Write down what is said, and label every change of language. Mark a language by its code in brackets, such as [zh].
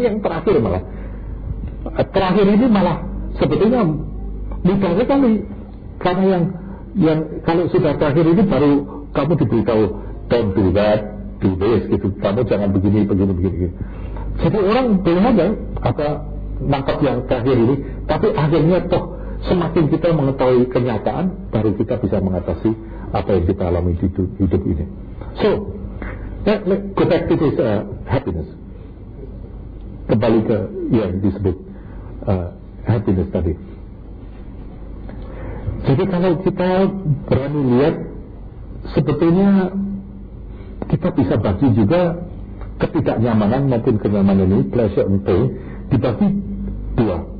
[id] Yang terakhir malah, terakhir ini malah sebetulnya mudah sekali karena yang kalau sudah terakhir ini baru kamu diberitahu [en] don't do that, do this, [id] gitu. Kamu jangan begini, begini, begini. Jadi orang belum ada apa nangkap yang terakhir ini, tapi akhirnya toh semakin kita mengetahui kenyataan, baru kita bisa mengatasi apa yang kita alami di hidup ini. [en] So, let's go back to this happiness. [id] Kembali ke yang disebut happiness tadi. Jadi kalau kita berani lihat, sebetulnya kita bisa bagi juga ketidaknyamanan maupun kenyamanan ini, [en] pleasure and pain, [id] dibagi dua.